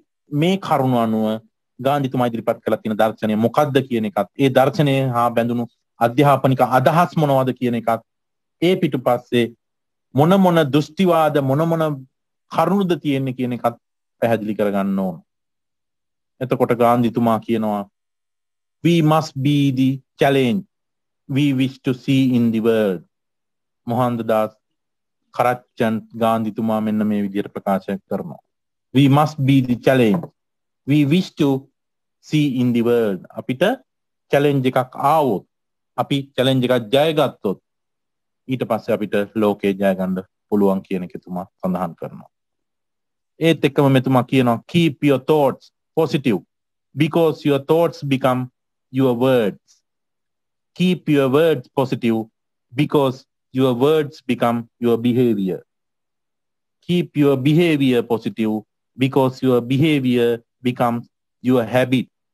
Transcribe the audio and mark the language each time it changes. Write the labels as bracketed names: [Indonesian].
[Sinhala] මේ කරුණ අනුව ගාන්ධිතුමා ඉදිරිපත් කළ තියෙන දර්ශනය මොකක්ද කියන එකත් ඒ දර්ශනය හා බැඳුණු අධ්‍යාපනික අදහස් මොනවද කියන එකත් ඒ පිටුපස්සේ මොන මොන දෘෂ්ටිවාද මොන මොන කරුණුද තියෙන්නේ කියන එකත් පැහැදිලි කරගන්න ඕන. එතකොට ගාන්ධිතුමා කියනවා [English] We must be the challenge we wish to see in the world. [Sinhala] මොහන්දාස් කරච්චන්ද් ගාන්ධිතුමා මෙන්න මේ විදිහට ප්‍රකාශ කරනවා. [English] We must be the challenge we wish to see in the world. [Sinhala] අපිට challenge එකක් ආවොත් අපි challenge එකක් ජයගත්තොත් ඊට පස්සේ අපිට ලෝකේ ජය ගන්න පුළුවන් කියන එක එතුමා සඳහන් කරනවා. ඒත් එක්කම මෙතුමා කියනවා [English] keep your thoughts positive because your thoughts become your words. Keep your words positive because your words become your behavior. Keep your behavior positive because your behavior becomes your habit.